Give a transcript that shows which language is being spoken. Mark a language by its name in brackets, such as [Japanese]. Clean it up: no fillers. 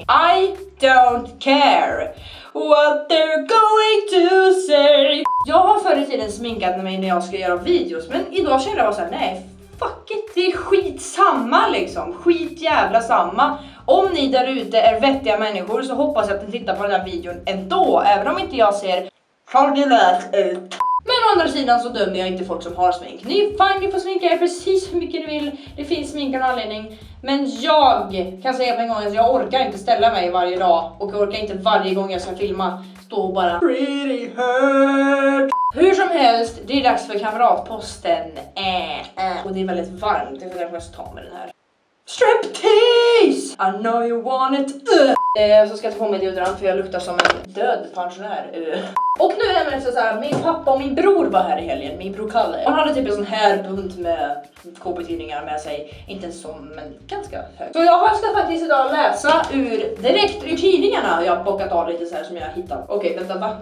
[English] I don't care what they're going to say. [Swedish] Jag har förr i tiden sminkat mig när jag ska göra videos, men idag känner jag bara såhär, nej, [English] fuck it. [Swedish] Det är skit samma liksom, skit jävla samma. Om ni där ute är vettiga människor så hoppas jag att ni tittar på den här videon ändå, även om inte jag ser fördelat ut. Men å andra sidan så dömer jag inte folk som har smink. Ni är fine, ni får sminka er precis hur mycket ni vill. Det finns smink av anledning. Men jag kan säga på en gång att jag orkar inte ställa mig varje dag. Och jag orkar inte varje gång jag ska filma stå och bara [English] pretty hurt. [Swedish] Hur som helst, det är dags för kamratposten. Och det är väldigt varmt, det får jag faktiskt ta med den här. [English] Striptease! I know you want it. [Swedish] Så ska jag ta på mig deodorant för jag luktar som en död pensionär. Och nu är det så här, min pappa och min bror var här i helgen, min bror Kalle. Han hade typ en sån här bunt med KB-tidningar med sig, inte en sån, men ganska hög. Så jag ska faktiskt idag läsa ur, direkt ur tidningarna, jag har bockat av lite så här som jag har hittat. Okej, vänta, va?